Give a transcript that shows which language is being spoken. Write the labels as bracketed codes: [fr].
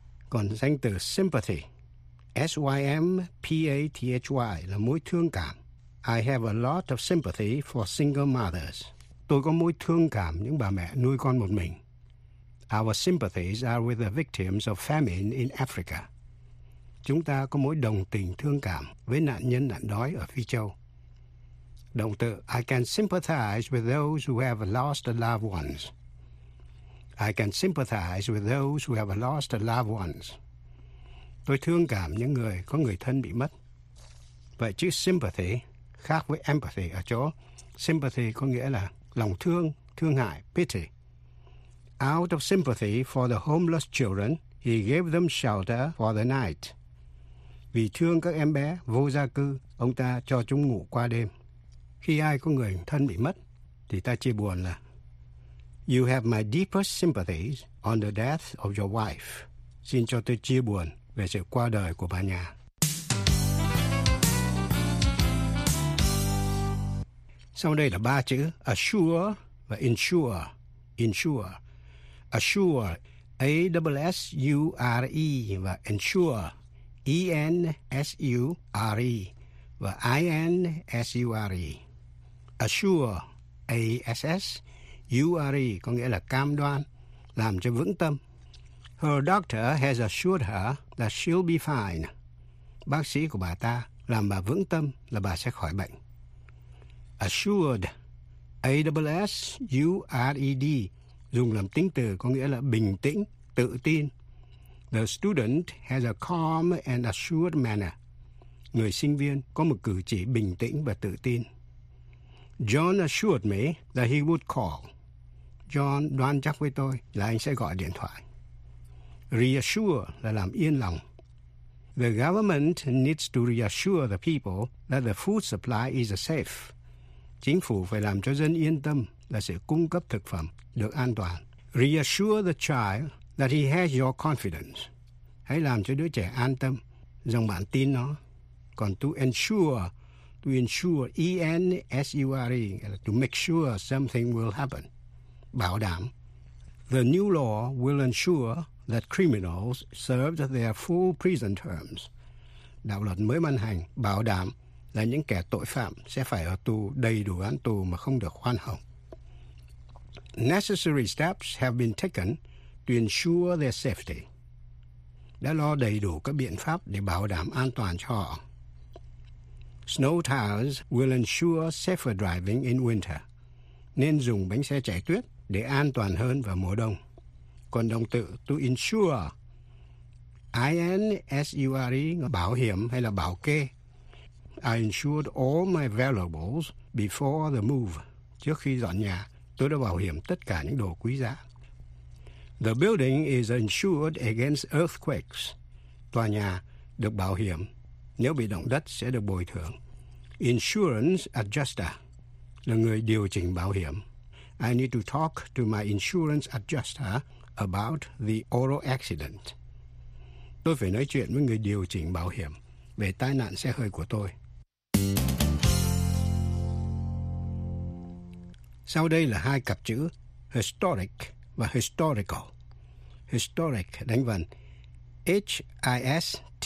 [vi] Còn danh từ sympathy, S-Y-M-P-A-T-H-Y, là mối thương cảm. [en] I have a lot of sympathy for single mothers. [vi] Tôi có mối thương cảm những bà mẹ nuôi con một mình. [en] Our sympathies are with the victims of famine in Africa. [vi] Chúng ta có mối đồng tình thương cảm với nạn nhân nạn đói ở Phi Châu. Động từ [en] I can sympathize with those who have lost loved ones. I can sympathize with those who have lost loved ones. [vi] Tôi thương cảm những người có người thân bị mất. Vậy chữ sympathy khác với empathy ở chỗ sympathy có nghĩa là lòng thương, thương hại, pity. [en] Out of sympathy for the homeless children, he gave them shelter for the night. [vi] Vì thương các em bé vô gia cư, ông ta cho chúng ngủ qua đêm. Khi ai có người thân bị mất, thì ta chia buồn là [en] You have my deepest sympathies on the death of your wife. [vi] Xin cho tôi chia buồn về sự qua đời của bà nhà. Sau đây là ba chữ assure và insure. Insure. [en] Assure, A-S-S-U-R-E và insure, E-N-S-U-R-E và I-N-S-U-R-E. [vi] Assure, A-S-S-U-R-E, có nghĩa là cam đoan, làm cho vững tâm. [en] Her doctor has assured her that she'll be fine. [vi] Bác sĩ của bà ta làm bà vững tâm là bà sẽ khỏi bệnh. Assured, A-S-S-U-R-E-D, dùng làm tính từ có nghĩa là bình tĩnh, tự tin. [en] The student has a calm and assured manner. [vi] Người sinh viên có một cử chỉ bình tĩnh và tự tin. [en] John assured me that he would call. [vi] John đoán chắc với tôi là anh sẽ gọi điện thoại. Reassure là làm yên lòng. [en] The government needs to reassure the people that the food supply is safe. [vi] Chính phủ phải làm cho dân yên tâm là sự cung cấp thực phẩm được an toàn. [en] Reassure the child that he has your confidence. [vi] Hãy làm cho đứa trẻ an tâm rằng bạn tin nó. [en] Còn to ensure, E-N-S-U-R-E, to make sure something will happen. [vi] Bảo đảm. [en] The new law will ensure that criminals served their full prison terms. [vi] Đạo luật mới ban hành bảo đảm là những kẻ tội phạm sẽ phải ở tù đầy đủ án tù mà không được khoan hồng. [en] Necessary steps have been taken to ensure their safety. [vi] Đã lo đầy đủ các biện pháp để bảo đảm an toàn cho họ. [en] Snow tires will ensure safer driving in winter. [vi] Nên dùng bánh xe chạy tuyết để an toàn hơn vào mùa đông. Còn động từ to insure, I-N-S-U-R-E, bảo hiểm hay là bảo kê. [en] I insured all my valuables before the move. [vi] Trước khi dọn nhà, tôi đã bảo hiểm tất cả những đồ quý giá. [en] The building is insured against earthquakes. [vi] Tòa nhà được bảo hiểm. Nếu bị động đất sẽ được bồi thường. Insurance adjuster là người điều chỉnh bảo hiểm. [en] I need to talk to my insurance adjuster about the auto accident. [vi] Tôi phải nói chuyện với người điều chỉnh bảo hiểm về tai nạn xe hơi của tôi. Sau đây là hai cặp chữ historic và historical. Historic đánh vần H-I-S-T-O-R-I-C.